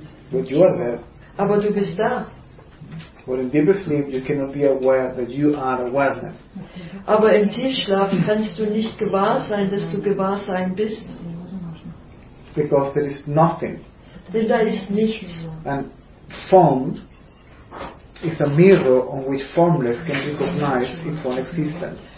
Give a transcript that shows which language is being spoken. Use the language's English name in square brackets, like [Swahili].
[English] But you are there. [German] Aber du bist da. [English] But in deep sleep you cannot be aware that you are awareness. [German] Aber im Tiefschlaf kannst du nicht gewahr sein, dass du Gewahrsein bist. [English] Because there is nothing. [German] Denn da ist nichts. [English] And form is a mirror on which formless can recognize its own existence.